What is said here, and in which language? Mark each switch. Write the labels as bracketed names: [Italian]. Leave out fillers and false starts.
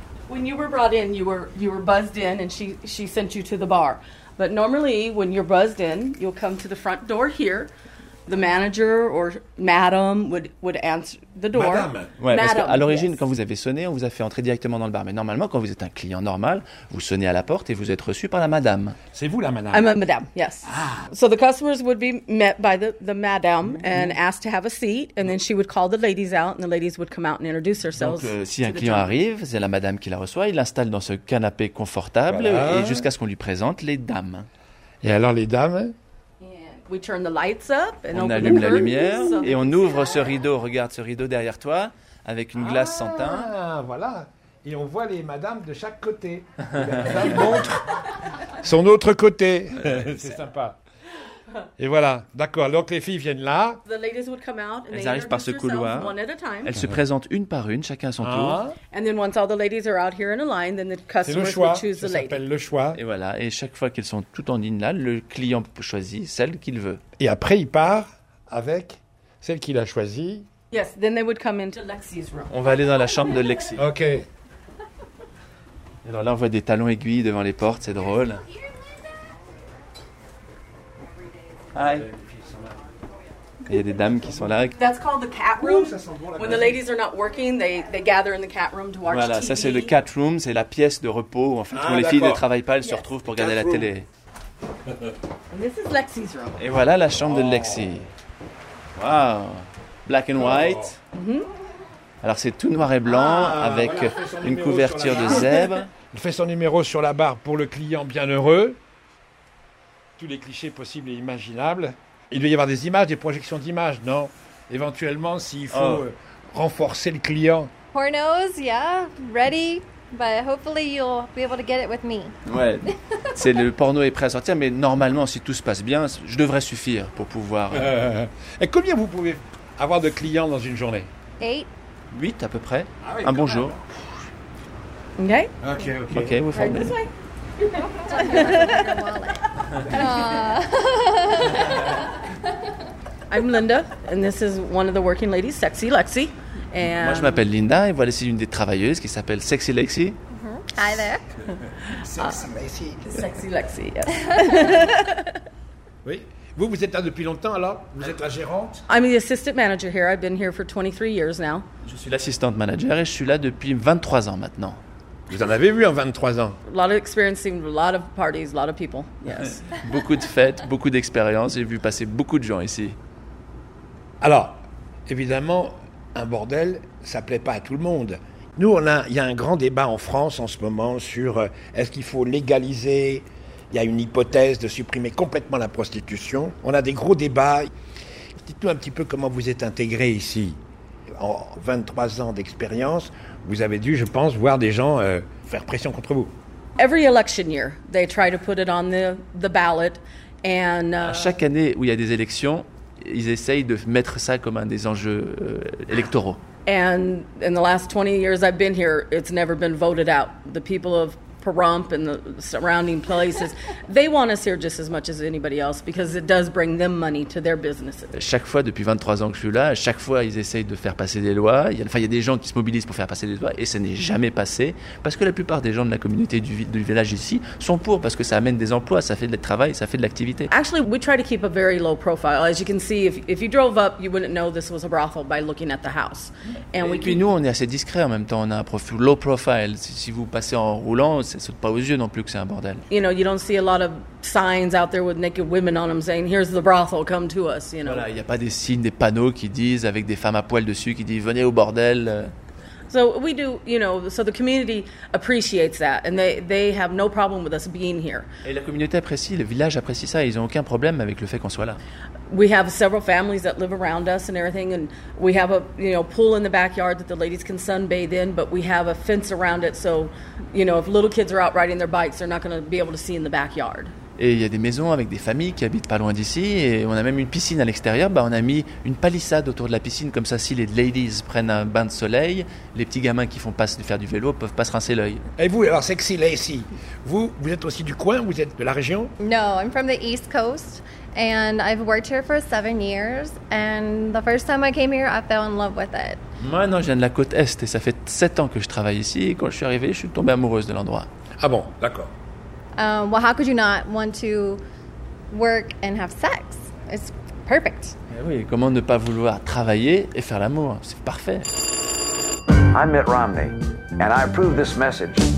[English] When you were brought in, you were buzzed in and she sent you to the bar. But normally when you're buzzed in, you'll come to the front door here. The manager or madam would answer the door. [French] Madame. Ouais, madame. Parce qu'à l'origine, yes. Quand vous avez sonné, on vous a fait entrer directement dans le bar. Mais normalement, quand vous êtes un client normal, vous sonnez à la porte et vous êtes reçu par la madame. C'est vous la madame. [English] I'm a madame, yes. Ah. So the customers would be met by the madame, mm-hmm. and asked to have a seat, and then she would call the ladies out, and the ladies would come out and introduce themselves. [French] Donc, si un client arrive, c'est la madame qui la reçoit. Il l'installe dans ce canapé confortable, voilà. Et jusqu'à ce qu'on lui présente les dames. Et alors les dames? [English] We turn the lights up and [French] on [English] open [French] allume [English] the [French] la lumière et on ouvre ce rideau. Regarde ce rideau derrière toi avec une glace sans teint. Voilà. Et on voit les madames de chaque côté. La madame montre son autre côté. C'est sympa. Et voilà. D'accord. Donc les filles viennent là. [English] The ladies would come out and [French] elles arrivent par ce couloir. [English] One at a time. [French] Elles se présentent une par une, chacun à son tour. [English] And then once all the ladies are out here in a line, then the customers would choose the lady. [French] C'est le choix. Ça s'appelle le choix. Et voilà. Et chaque fois qu'elles sont toutes en ligne là, le client choisit celle qu'il veut. Et après, il part avec celle qu'il a choisie. [English] Yes. Then they would come into Lexi's room. [French] On va aller dans la chambre de Lexi. OK. Alors là, on voit des talons aiguilles devant les portes. C'est drôle. Hi. Il y a des dames qui sont là. [English] That's called the cat room. When the ladies are not working, they gather in the cat room to watch [French] voilà, Voilà, ça c'est le cat room, c'est la pièce de repos où en fait où les d'accord. filles ne travaillent pas, elles yes. se retrouvent pour regarder la télé. [English] And this is Lexi's room. [French] Et voilà la chambre de Lexi. [English] Wow. Black and white. [French] Alors c'est tout noir et blanc avec voilà, une couverture de zèbre. Il fait son numéro sur la barre pour le client bien heureux. Tous les clichés possibles et imaginables. Il doit y avoir des images, des projections d'images, non? Éventuellement, s'il faut renforcer le client. [English] Pornos, yeah, ready, but hopefully you'll be able to get it with me. [French] Ouais, c'est le porno est prêt à sortir, mais normalement, si tout se passe bien, je devrais suffire pour pouvoir... Et combien vous pouvez avoir de clients dans une journée? 8. 8 à peu près. Ah oui, un bonjour. Okay. Ok, vous formez. [English] This way. I'm Linda, and this is one of the working ladies, Sexy Lexi. And [French] moi, je m'appelle Linda, et voilà, c'est une des travailleuses qui s'appelle Sexy Lexi. [English] Mm-hmm. Hi there. Sexy Lexi. Sexy Lexi, yes. [French] Oui. Vous êtes là depuis longtemps, alors? Vous êtes la gérante? [English] I'm the assistant manager here. I've been here for 23 years now. [French] Je suis l'assistante manager, et je suis là depuis 23 ans maintenant. Vous en avez vu en 23 ans. [English] A lot of experiencing, a lot of parties, a lot of people. Yes. [French] Beaucoup de fêtes, beaucoup d'expériences. J'ai vu passer beaucoup de gens ici. Alors, évidemment, un bordel, ça plaît pas à tout le monde. Nous, il y a un grand débat en France en ce moment sur est-ce qu'il faut légaliser. Il y a une hypothèse de supprimer complètement la prostitution. On a des gros débats. Dites-nous un petit peu comment vous êtes intégré ici. En 23 ans d'expérience, vous avez dû, je pense, voir des gens faire pression contre vous. [English] Every election year, they try to put it on the ballot. And, [French] chaque année où il y a des élections, ils essayent de mettre ça comme un des enjeux électoraux. [English] And in the last 20 years I've been here, it's never been voted out. The people have Pahrump and the surrounding places. They want us here just as much as anybody else because it does bring them money to their businesses. [French] Chaque fois, depuis 23 ans que je suis là, chaque fois, ils essayent de faire passer des lois. Il y a des gens qui se mobilisent pour faire passer des lois et ça n'est jamais passé parce que la plupart des gens de la communauté du village ici sont pour parce que ça amène des emplois, ça fait du travail, ça fait de l'activité. [English] Actually, we try to keep a very low profile. As you can see, if you drove up, you wouldn't know this was a brothel by looking at the house. [French] Nous, on est assez discret en même temps. On a un profil low profile. Si vous passez en roulant, ça ne saute pas aux yeux non plus que c'est un bordel. [English] You know, you don't see a lot of signs out there with naked women on them saying, here's the brothel, come to us, you know. [French] Voilà, il n'y a pas des signes, des panneaux qui disent, avec des femmes à poil dessus, qui disent, venez au bordel. [English] So we do, you know, so the community appreciates that and they have no problem with us being here. [French] Et la communauté apprécie, le village apprécie ça, ils n'ont aucun problème avec le fait qu'on soit là. [English] We have several families that live around us and everything, and we have a, you know, pool in the backyard that the ladies can sunbathe in, but we have a fence around it, so, you know, if little kids are out riding their bikes, they're not going to be able to see in the backyard. [French] Et il y a des maisons avec des familles qui habitent pas loin d'ici, et on a même une piscine à l'extérieur. Bah, on a mis une palissade autour de la piscine, comme ça, si les ladies prennent un bain de soleil, les petits gamins qui font pas faire du vélo peuvent pas se rincer l'œil. Et vous, alors, sexy Lacey, vous êtes aussi du coin, vous êtes de la région? [English] No, I'm from the East Coast. And I've worked here for 7 years, and the first time I came here, I fell in love with it. [French] Moi, non, je viens de la côte Est, et ça fait 7 ans que je travaille ici, et quand je suis arrivée, je suis tombée amoureuse de l'endroit. Ah bon, d'accord. [English] Well, how could you not want to work and have sex? It's perfect. [French] Eh oui, comment ne pas vouloir travailler et faire l'amour? C'est parfait. [English] I'm Mitt Romney, and I approve this message.